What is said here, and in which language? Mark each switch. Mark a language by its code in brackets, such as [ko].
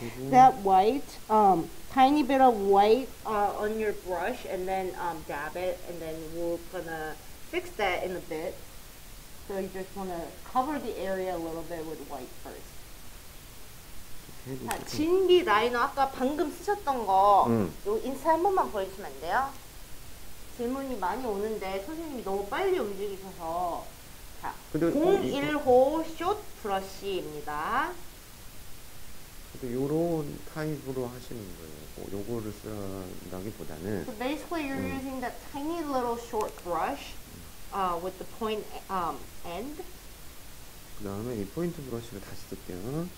[en] That white, tiny bit of white on your brush and then dab it and then we're gonna fix that in a bit. So you just wanna cover the area a little bit with white first. [ko] 자, 진비 라이너 아까 방금 쓰셨던 거 요 인사 한 번만 보여주시면 안 돼요? 질문이 많이 오는데 선생님이 너무 빨리 움직이셔서 자, 01호 숏 브러쉬입니다. 요런 타입으로 하시는 거예요. 뭐 요거를 쓰라기보다는 [en] So basically you're using that tiny little short brush with the point end. [ko] 그 다음에 이 포인트 브러쉬를 다시 쓸게요.